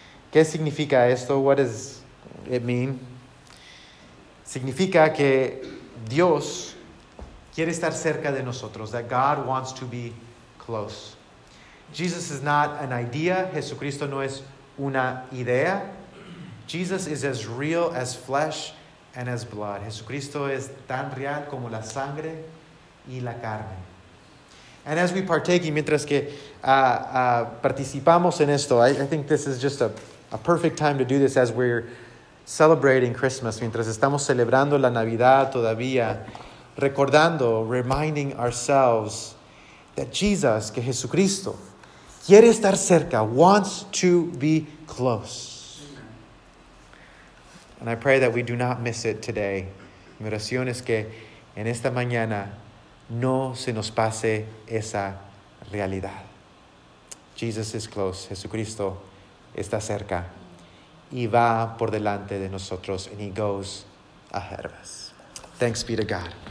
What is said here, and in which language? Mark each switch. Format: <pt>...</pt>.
<es>¿Qué significa esto?</es> <en>What does it mean?</en> <es>Significa que Dios quiere estar cerca de nosotros,</es> <en>that God wants to be close. Jesus is not an idea.</en> <es>Jesucristo no es una idea.</es> <en>Jesus is as real as flesh and as blood.</en> <es>Jesucristo es tan real como la sangre y la carne.</es> <en>And as we partake,</en> <es>y mientras que participamos en esto,</es> <en>I think this is just a perfect time to do this as we're celebrating Christmas,</en> <es>mientras estamos celebrando la Navidad todavía, recordando,</es> <en>reminding ourselves that Jesus,</en> <es>que Jesucristo, quiere estar cerca,</es> <en>wants to be close. And I pray that we do not miss it today.</en> <es>Mi oración es que en esta mañana no se nos pase esa realidad.</es> <en>Jesus is close.</en> <es>Jesucristo está cerca y va por delante de nosotros,</es> <en>and he goes ahead of us. Thanks be to God.</en>